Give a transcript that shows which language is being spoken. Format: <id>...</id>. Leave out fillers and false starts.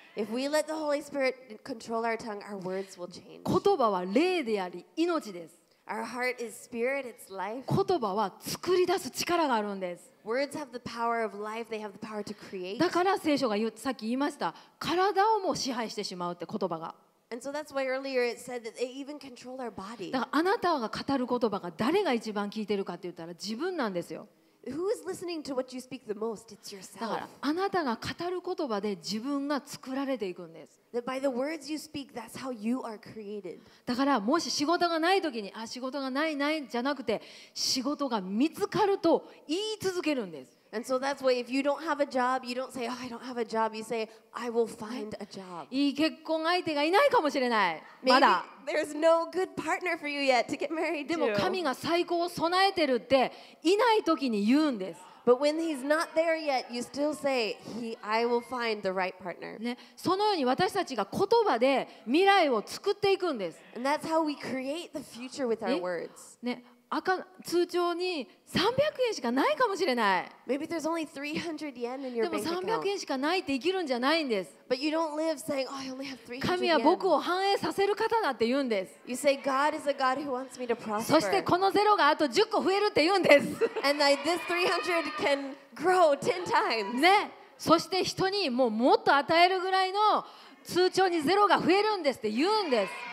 <en>If we let the Holy Spirit control our tongue, our words will change.</en> <ja>言葉は霊であり命です。</ja> <en>Our heart is spirit, it's life.</en> <ja>言葉は作り出す力があるんです。</ja> <en>Words have the power of life. They have the power to create.</en> <ja>だから聖書がさっき言いました、体をも支配してしまうって言葉が。</ja> <en>And so that's why earlier it said that they even control our body.</en> <ja>だからあなたが語る言葉が誰が一番聞いてるかって言ったら自分なんですよ。</ja> <en>Who is listening to what you speak the most? It's yourself.</en> <ja>だからあなたが語る言葉で自分が作られていくんです。</ja> <en>That by the words you speak, that's how you are created.</en> <ja>だからもし仕事がない時に、あ、仕事がないないじゃなくて、仕事が見つかると言い続けるんです。</ja> <en>And so that's why if you don't have a job, you don't say, oh, I don't have a job. You say, I will find a job.</en> <ja>いい結婚相手がいないかもしれない。まだ。</ja> <en>There's no good partner for you yet to get married to.</en> <ja>でも神が最高を備えてるっていない時に言うんです。</ja> <en>But when he's not there yet, you still say, I will find the right partner.</en> <ja>ね、そのように私たちが言葉で未来を作っていくんです。</ja> <en>And that's how we create the future with our words.</en> <ja>ね、赤通帳に300円しかないかもしれない。</ja> <en>Maybe there's only 300 yen in your bank account.</en> <ja>でも300円しかないって生きるんじゃないんです。</ja> <en>But you don't live saying, oh, I only have 300 yen.</en> <ja>神は僕を繁栄させる方だって言うんです。</ja> <en>You say, God is a God who wants me to prosper.</en> <ja>そしてこのゼロがあと10個増えるって言うんです。</ja> <en>And like this 300 can grow 10 times.</en> <ja>ね。そして人にもうもっと与えるぐらいの通帳にゼロが増えるんですって言うんです。</ja>